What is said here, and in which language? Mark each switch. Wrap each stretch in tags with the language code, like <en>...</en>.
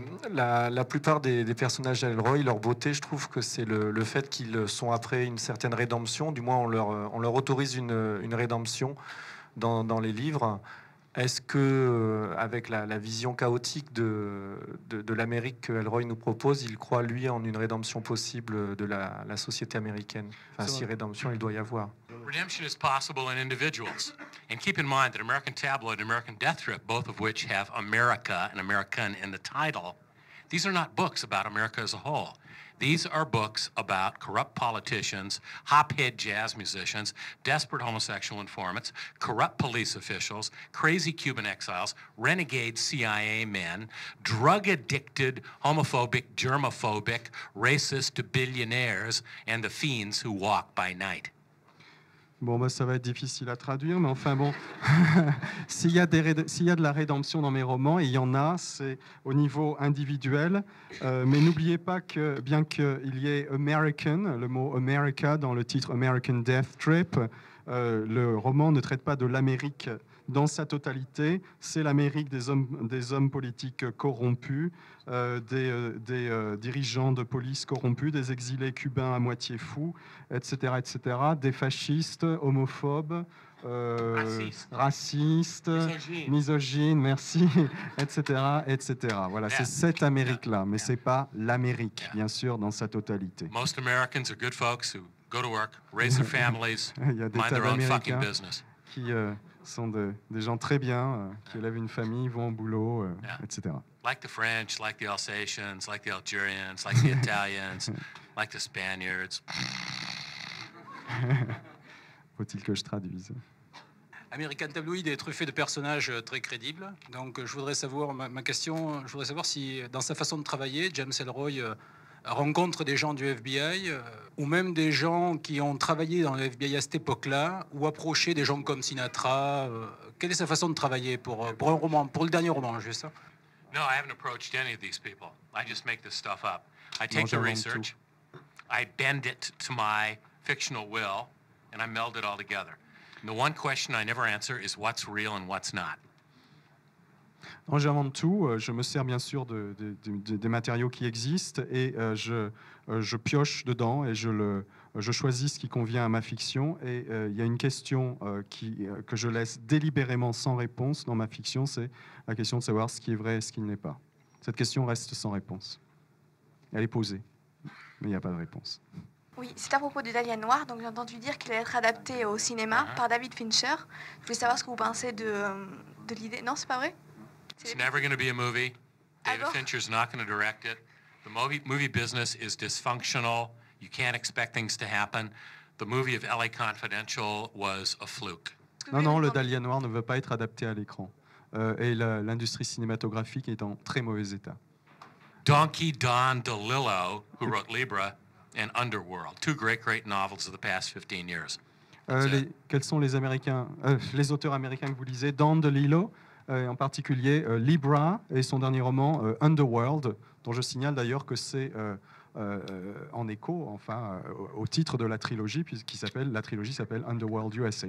<fr>La plupart des personnages d'Elroy, leur beauté, je trouve que c'est le fait qu'ils sont après une certaine rédemption, du moins on leur autorise une rédemption dans les livres. Est-ce que, avec la vision chaotique de l'Amérique que Elroy nous propose, il croit, lui, en une rédemption possible de la société américaine? Enfin, si rédemption, il doit y avoir.</fr> <en>Redemption is possible in individuals. And keep in mind that American Tabloid and American Death Trip, both of which have America and American in the title, These are not books about America as a whole. These are books about corrupt politicians, hophead jazz musicians, desperate homosexual informants, corrupt police officials, crazy Cuban exiles, renegade CIA men, drug-addicted, homophobic, germophobic, racist billionaires, and the fiends who walk by night.</en> <fr>Bon, ben, ça va être difficile à traduire, mais enfin bon, s'il y a de la rédemption dans mes romans, et il y en a, c'est au niveau individuel. Mais n'oubliez pas que, bien qu'il y ait American, le mot America dans le titre American Death Trip, le roman ne traite pas de l'Amérique dans sa totalité. C'est l'Amérique des hommes politiques corrompus, des dirigeants de police corrompus, des exilés cubains à moitié fous, etc., etc., des fascistes, homophobes, racistes, misogynes, merci, etc., etc. Voilà, yeah. C'est cette Amérique-là, mais yeah. C'est pas l'Amérique, yeah. Bien sûr, dans sa totalité.</fr> <en>Most Americans are good folks who go to work, raise their families, mind their own fucking business.</en> <fr>Qui sont des gens très bien, qui yeah. élèvent une famille, vont au boulot, yeah. etc.</fr> <en>Like the French, like the Alsatians, like the Algerians, like the Italians, like the Spaniards.</en> <fr>Faut-il que je traduise ? American Tabloïd est truffé de personnages très crédibles. Donc je voudrais savoir, ma question, je voudrais savoir si dans sa façon de travailler, James Ellroy rencontre des gens du FBI ou même des gens qui ont travaillé dans le FBI à cette époque-là ou approché des gens comme Sinatra. Quelle est sa façon de travailler pour un roman, pour le dernier roman, juste ?</fr> <en>No, I haven't approached any of these people. I just make this stuff up. I take the research, I bend it to my fictional will, and I meld it all together. And the one question I never answer is what's real and what's not.</en> <fr>Non, j'invente tout. Je me sers bien sûr des matériaux qui existent et je pioche dedans et je choisis ce qui convient à ma fiction. Et il y a une question que je laisse délibérément sans réponse dans ma fiction, c'est la question de savoir ce qui est vrai et ce qui ne l'est pas. Cette question reste sans réponse. Elle est posée, mais il n'y a pas de réponse. Oui, c'est à propos du Dahlia Noir. Donc, j'ai entendu dire qu'il allait être adapté au cinéma par David Fincher. Je voulais savoir ce que vous pensez de l'idée. Non, c'est pas vrai?</fr> <en>It's never going to be a movie. David Fincher's not going to direct it. The movie business is dysfunctional. You can't expect things to happen. The movie of L.A. Confidential was a fluke.</en> <fr>Non, le Dahlia Noir ne veut pas être adapté à l'écran. Et l'industrie cinématographique est en très mauvais état.</fr> <en>Donkey Don DeLillo, who wrote Libra, and Underworld. Two great, great novels of the past 15 years.</en> <fr>Quels sont les auteurs américains que vous lisez? Don DeLillo? Et en particulier Libra et son dernier roman Underworld, dont je signale d'ailleurs que c'est au titre de la trilogie, qui s'appelle Underworld USA.</fr>